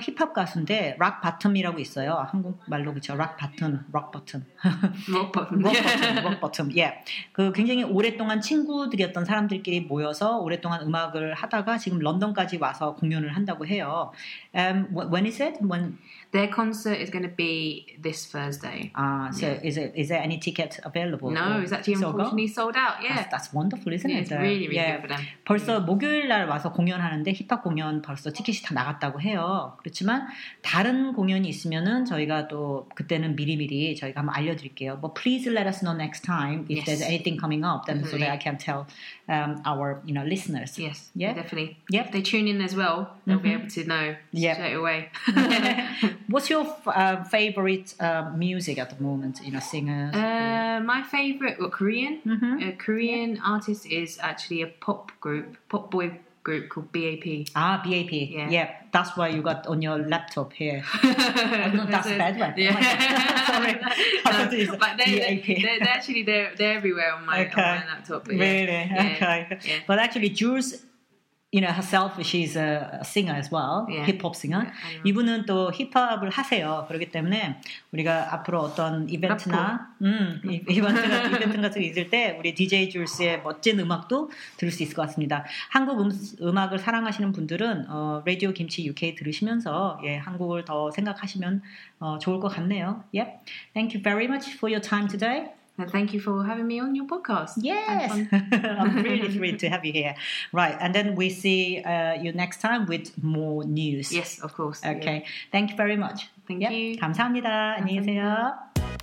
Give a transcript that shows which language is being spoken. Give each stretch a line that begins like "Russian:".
Korean: 힙합 가수인데 락 바텀이라고 있어요. 한국말로 그렇죠. 락 바텀. 락 바텀. 락 바텀. 락 바텀. 락 바텀. 예. 그 굉장히 오랫동안 친구들이었던 사람들끼리 모여서 오랫동안 음악을 하다가 지금 런던까지 와서 공연을 한다고 해요.
English: When is it? When their concert is going to be this Thursday. So yeah. is there any ticket available? No, it's actually unfortunately sold out. Yeah. That's wonderful, isn't it? Yeah, it's really really good for them.
Korean: 벌써 목요일 날 와서 공연하는데 힙합 공연 벌써 티켓이 다 나갔다고 해요. 그렇지만 다른 공연이 있으면은 저희가 또 그때는 미리미리 저희가 한번 알려드릴게요.
English: But please let us know next time if there's anything coming up, then so that I can tell our you know listeners. Yes, yeah, definitely. Yep. If they tune in as well, they'll be able to know straight away. What's your favorite music at the moment? You know, singers. My favorite, well, Korean. Mm-hmm. A Korean artist is actually a pop group, pop boy. Group called BAP. Ah, BAP. Yeah. Yeah, that's why you got on your laptop here. Oh, no, that's a bad one. Yeah. Oh, sorry. No, but they're everywhere on my, okay. on my laptop. But yeah. Really? Yeah. Okay. Yeah. But actually, Jules, you know, herself, she's a singer as well, yeah. hip-hop singer. Yeah,
Korean: 이분은 또 힙합을 하세요. 그렇기 때문에 우리가 앞으로 어떤 이벤트나 이벤트 같은 게 있을 때 우리 DJ Jules의 멋진 음악도 들을 수 있을 것 같습니다. 한국 음악을 사랑하시는 분들은 라디오 김치 UK 들으시면서 예, 한국을 더 생각하시면 좋을 것 같네요.
English: Yep. Thank you very much for your time today. And thank you for having me on your podcast. Yes, I'm really thrilled to have you here. Right, and then we see you next time with more news. Yes, of course. Okay, yeah. Thank you very much. Thank you.
Korean: 감사합니다. 안녕히 계세요.